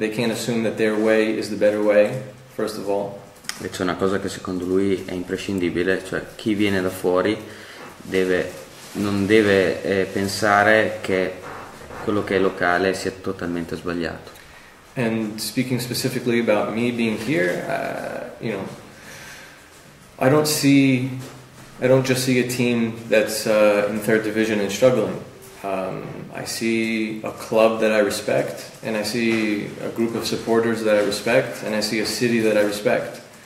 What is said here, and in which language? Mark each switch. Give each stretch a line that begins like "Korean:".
English: They can't assume that their way is the better way, first of all.
Italian: E c'è una cosa che secondo lui è imprescindibile, cioè chi viene da fuori non deve pensare che quello che è locale sia totalmente sbagliato.
English: And speaking specifically about me being here, you know, I don't just see a team that's in third division and struggling. I see a club that I respect, and I see a group of supporters that I respect, and I see a city that I respect.